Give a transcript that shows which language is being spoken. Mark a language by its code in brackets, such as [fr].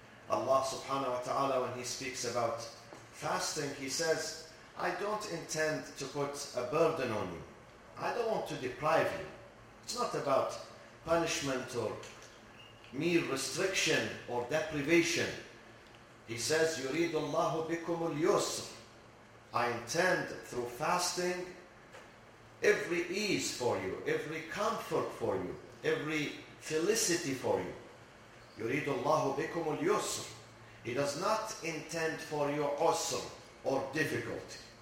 [en] Allah subhanahu wa ta'ala, when He speaks about fasting, He says, I don't intend to put a burden on you. I don't want to deprive you. It's not about punishment or mere restriction or deprivation. He says, [ar] يُرِيدُ اللَّهُ بِكُمُ الْيُسْرِ. [en] I intend through fasting every ease for you, every comfort for you, every felicity for you. [ar] يُرِيدُ اللَّهُ بِكُمُ الْيُسْرِ. [en] He does not intend for you usr or difficulty.